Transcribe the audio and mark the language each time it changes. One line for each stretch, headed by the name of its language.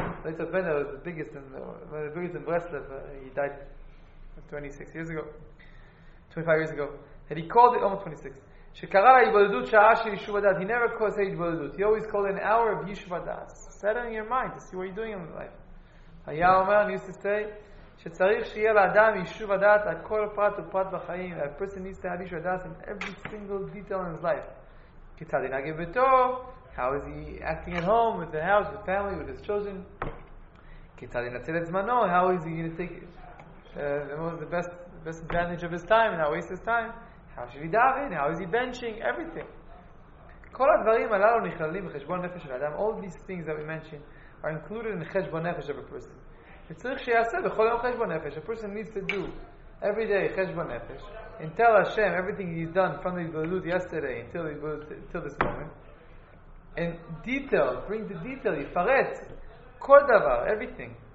English: Levitz Bender was the biggest in Breslev. He died 26 years ago, 25 years ago. And he called it, almost 26. Shekara ha-yibodudut sha'a shi yishuva das. He never calls it yibodudut. He always called it an hour of yishuva das. Set it in your mind to see what you're doing in life.
Hebrew: Hayah Omer,
English: he used to say,
Hebrew: שצריך שיהיה לאדם יישוב הדעת על כל פרט ופרט בחיים.
English: A person needs to have יישוב הדעת in every single detail in his life.
Hebrew: כיצד ינהג בביתו?
English: How is he acting at home with the house, with the family, with his children?
Hebrew: כיצד ינצל את זמנו?
English: How is he going to take the best advantage of his time and not waste his time? How should he daven? How is he benching? Everything.
Hebrew: כל הדברים הללו נכללים בחשבון נפש של האדם.
English: All these things that we mentioned are included in חשבון נפש of a person.
Hebrew: וצריך שיעשה בכל יום חשבון נפש.
English: A person needs to do every day חשבון נפש and tell Hashem everything he's done from the Yibodut yesterday until this moment. And detail, bring the detail,
Hebrew: יפרט כל דבר,
English: everything.